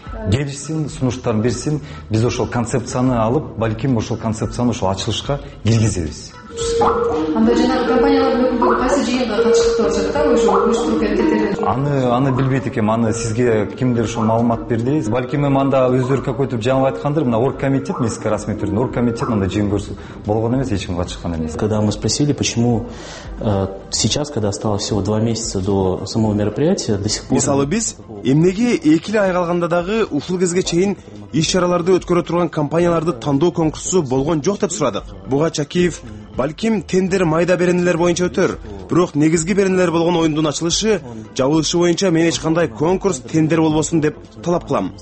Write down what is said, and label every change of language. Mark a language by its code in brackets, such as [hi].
[ky] Келишсин, сунуштарын берсин, биз ошол концепцияны алып, балким ошол концепцияны ошол ачылышка киргизебиз. Андай жанагы компаниялардын өкүлдөрү кайсы жыйынга катышыптыр деп жатат да, ошо уюштуруу комитеттери. Аны билбейт экен, аны сизге кимдир ушул маалымат берди. Балким эми анда өздөрү көкөйтүп жаңып айткандыр, мына оргкомитет, мен сизге расмий түрдө оргкомитет мындай жыйын көрсө болгон эмес, эч ким катышкан эмес. [ru] Когда мы спросили, почему сейчас, когда осталось всего 2 месяца до самого мероприятия, до сих пор. [ky] Мисалы биз эмнеге 2 ай калганда дагы ушул кезге чейин иш чараларды өткөрө турган компанияларды тандоо конкурсу болгон жок деп сурадык. Буга Чакиев, балким тендер майда беренелер боюнча өтөр, бирок негизги беренелер болгон оюндун ачылышы, жабылышы боюнча мен эч кандай конкурс, тендер болбосун деп талап кылам.